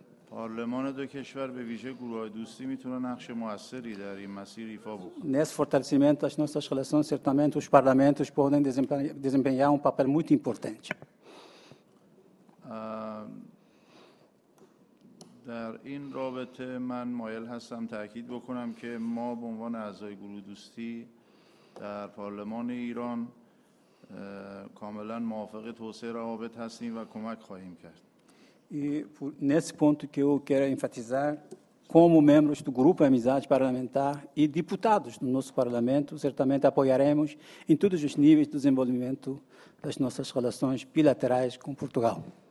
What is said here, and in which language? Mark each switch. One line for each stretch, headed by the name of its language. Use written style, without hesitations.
Persian: پارلمان دو کشور به ویژه گروه دوستی میتونه نقش موثری در این مسیر ایفا بکنه.
Portuguese: Nesse fortalecimento das nossas relações, certamente os parlamentos podem desempenhar um papel muito importante.
Persian: در این رابطه من مایل هستم تاکید بکنم که ما به عنوان اعضای گروه دوستی در پارلمان ایران کاملا موافق توسعه روابط هستیم و کمک خواهیم کرد.
Portuguese: E nesse ponto que eu quero enfatizar, como membros do Grupo Amizade Parlamentar e deputados do nosso Parlamento, certamente apoiaremos em todos os níveis do desenvolvimento das nossas relações bilaterais com Portugal.